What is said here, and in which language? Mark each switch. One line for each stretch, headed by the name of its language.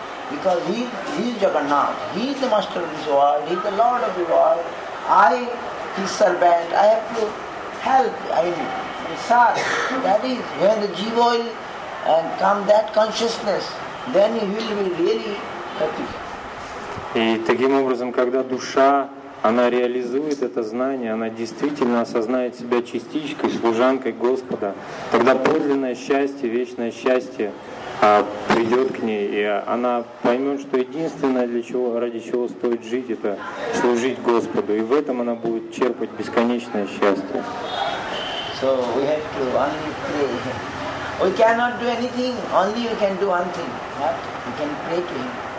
English: Because he is Jagannath. He is the master of this world. He is the lord of the world. I, his servant, I have to help, I mean, serve. That is, when the jiva will come that consciousness, then he will be really happy.
Russian: И таким образом, когда душа, она реализует это знание, она действительно осознает себя частичкой, служанкой Господа, тогда подлинное счастье, вечное счастье придет к ней, и она поймет, что единственное, для чего, ради чего стоит жить, это служить Господу. И в этом она будет черпать бесконечное счастье.
English: So we have to only pray. We cannot do anything, only we can do one thing, what? We can pray to Him.